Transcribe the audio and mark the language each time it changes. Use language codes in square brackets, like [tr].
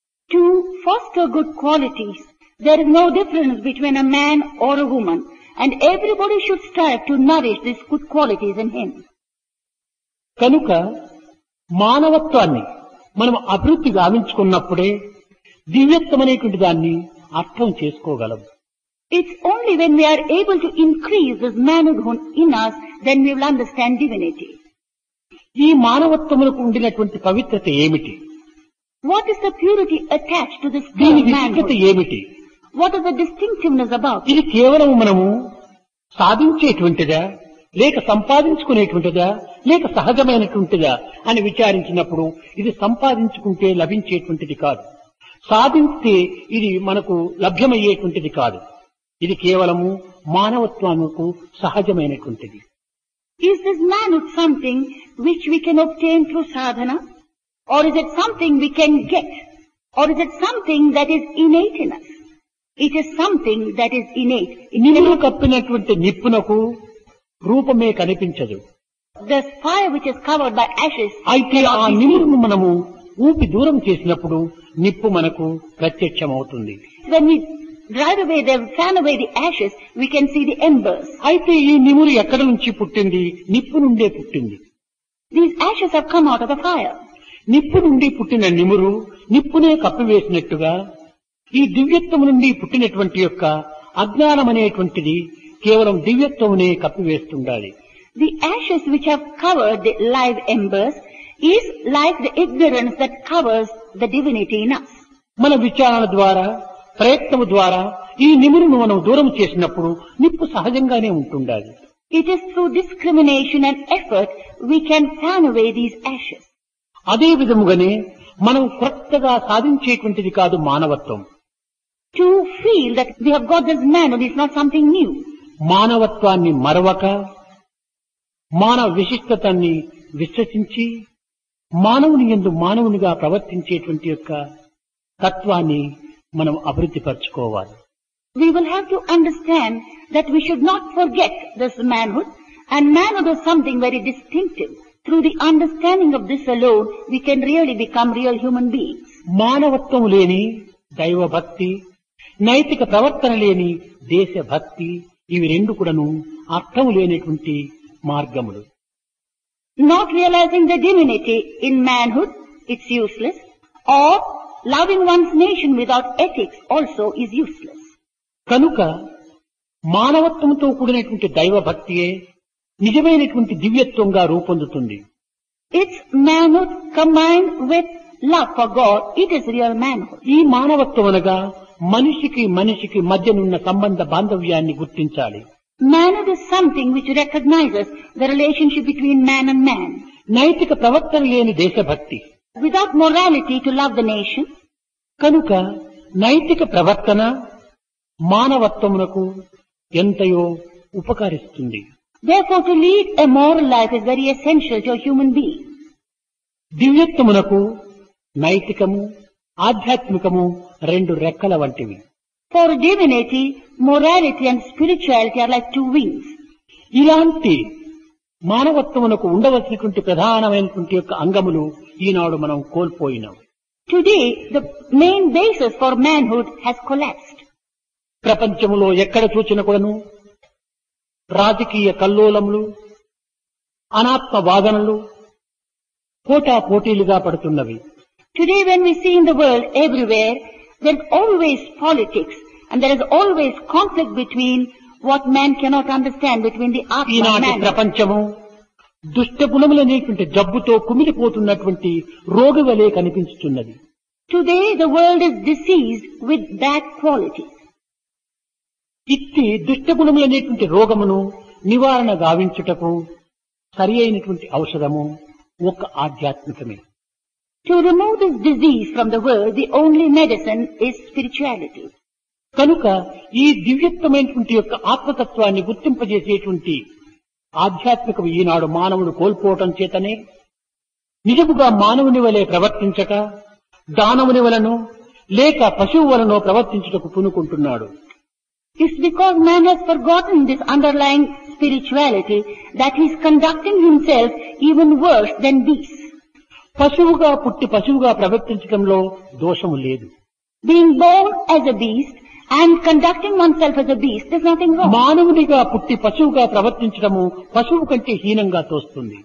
[en] To foster good qualities there is no difference between a man or a woman and everybody should strive to nourish this good qualities in him. [te] కనుక మానవత్వాన్ని మనం అభివృద్ధి గావించుకున్నప్పుడే దివ్యత్వమనేటువంటి దాన్ని అర్థం చేసుకోగలం. [en] It's only when we are able to increase this manhood in us, then we will understand divinity. [te] ఈ మానవత్వమునకు ఉండినటువంటి పవిత్రత ఏమిటి? [en] What is the purity attached to this manhood? [te] ఏమిటి? [en] What is the distinctiveness about? [te] ఇది కేవలం మనము సాధించేటువంటిదా లేక సంపాదించుకునేటువంటిదా లేక సహజమైనటువంటిదా అని విచారించినప్పుడు ఇది సంపాదించుకుంటే లభించేటువంటిది కాదు, సాధిస్తే ఇది మనకు లభ్యమయ్యేటువంటిది కాదు, ఇది కేవలము మానవత్వముకు సహజమైనటువంటిది. [en] Is this manhood something which we can obtain through sadhana or is it something we can get or is it something that is innate in us? It is something that is innate. [te] నిప్పు కప్పినటువంటి నిప్పునకు రూపమే కనిపించదు. [en] the fire which is covered by ashes [te] అయితే ఆ నిప్పును మనము ఊపి దూరం చేసినప్పుడు నిప్పు మనకు ప్రత్యక్షమవుతుంది. [en] When we Right away they have fan away the ashes, we can see the embers. [te] అయితే ఈ నిమురు ఎక్కడ నుంచి పుట్టింది? నిప్పు నుండే పుట్టింది. [en] These ashes have come out of the fire. [te] నిప్పు నుండి పుట్టిన నిమురు నిప్పునే కప్పివేసినట్టుగా ఈ దివ్యత్వం నుండి పుట్టినటువంటి యొక్క అజ్ఞానం అనేటువంటిది కేవలం దివ్యత్వమునే కప్పివేస్తుండాలి. [en] The ashes which have covered the live embers is like the ignorance that covers the divinity in us. [te] మన విచారణ ద్వారా ప్రయత్నం ద్వారా ఈ నిమురును మనం దూరం చేసినప్పుడు నిప్పు సహజంగానే ఉంటుండాలి. [en] It is through discrimination and effort we can fan away these ashes. [te] అదే విధముగానే మనం కొత్తగా సాధించేటువంటిది కాదు మానవత్వం. [en] To feel that we have got this manhood is not something new. [te] మానవత్వాన్ని మరవక మానవ విశిష్టతని విశ్వసించి మానవుని యందు మానవునిగా ప్రవర్తించేటువంటి యొక్క తత్వాన్ని మనం అభివృద్ధి పరచుకోవాలి. [en] We will have to understand that we should not forget this manhood, and manhood is something very distinctive. Through the understanding of this alone, we can really become real human beings. [te] మానవత్వం లేని దైవ భక్తి, నైతిక ప్రవర్తన లేని దేశ భక్తి, ఇవి రెండు కూడాను అర్థం లేనటువంటి మార్గములు. [en] Not realizing the divinity in manhood, it's useless. Or loving one's nation without ethics also is useless. [te] కనుక మానవత్వంతో కూడినటువంటి దైవ భక్తియే నిజమైనటువంటి దివ్యత్వంగా రూపొందుతుంది. [en] It's manhood combined with love for God, it is real manhood. [te] ఈ మానవత్వం అనగా మనిషికి మనిషికి మధ్య నున్న సంబంధ బాంధవ్యాన్ని గుర్తించాలి. [en] Manhood is something which recognizes the relationship between man and man. [te] నైతిక ప్రవర్తన లేని దేశభక్తి. [en] Without morality to love the nation. [te] కనుక నైతిక ప్రవర్తన మానవత్వమునకు ఎంతయో ఉపకరిస్తుంది. [en] Therefore, to lead a moral life is very essential to a human being. [te] దివ్యత్వమునకు నైతికము ఆధ్యాత్మికము రెండు రెక్కల వంటివి. [en] For divinity, morality and spirituality are like two wings. [te] ఇలాంటి మానవత్వమునకు ఉండవలసినటువంటి ప్రధానమైనటువంటి యొక్క అంగములు ఈనాడు మనం కోల్పోయినాం. [en] Today, the main basis for manhood has collapsed. [te] ప్రపంచములో ఎక్కడ చూచిన కూడాను రాజకీయ కల్లోలములు, అనాత్మ వాదనలు పోటా పోటీలుగా పడుతున్నవి. [en] Today when we see in the world everywhere, there is always politics and there is always conflict between what man cannot understand, between the atma and man. [te] ఈనాటి ప్రపంచము దుష్టగుణములనేటువంటి జబ్బుతో కుమిలిపోతున్నటువంటి రోగి వలె కనిపించుతున్నది. [en] Today the world is diseased with bad qualities. [te] ఇట్టి దుష్టగుణములనేటువంటి రోగమును నివారణ గావించుటకు సరి అయినటువంటి ఔషధము ఒక ఆధ్యాత్మికమే. [en] To remove this disease from the world, the only medicine is spirituality. [te] కనుక ఈ దివ్యత్వమైనటువంటి యొక్క ఆత్మతత్వాన్ని గుర్తింపజేసేటువంటి ఆధ్యాత్మికం ఈనాడు మానవుడు కోల్పోవటం చేతనే నిజముగా మానవుని వలె ప్రవర్తించక దానవుని వలన లేక పశువు వలన ప్రవర్తించుటకు పూనుకుంటున్నాడు. [en] It's because man has forgotten this underlying spirituality that he is conducting himself even worse than beasts. [te] పశువుగా పుట్టి పశువుగా ప్రవర్తించడంలో దోషము లేదు. [en] Being born as a beast and conducting oneself as a beast, there's nothing wrong. [te] మానవునిగా పుట్టి పశువుగా ప్రవర్తించడము పశువు కంటే హీనంగా తోస్తుంది.